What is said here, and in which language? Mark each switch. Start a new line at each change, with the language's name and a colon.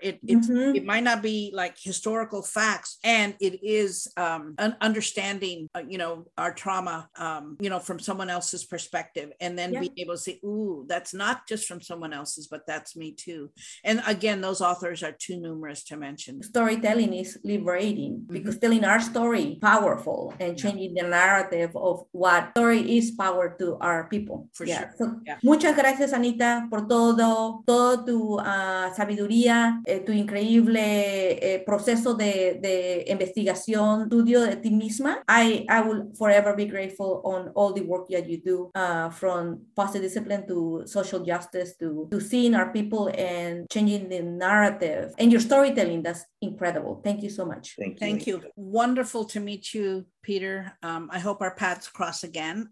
English: It might not be like historical facts, and it is an understanding, you know, our trauma, you know, from someone else's perspective, and then being able to say, ooh, that's not just from someone else's, but that's me too. And again, those authors are too numerous to mention. Storytelling is liberating, because telling our story powerful and changing the narrative of what story is power to our people.
Spanish: Muchas gracias, Anita, por todo tu sabiduría, tu increíble proceso de investigación, estudio de ti misma.
English: I will forever be grateful on all the work that you do, from positive discipline to social justice to seeing our people and changing the narrative. And your storytelling, that's incredible. Thank you so much. Thank you. Wonderful to meet you, Peter. I hope our paths cross again.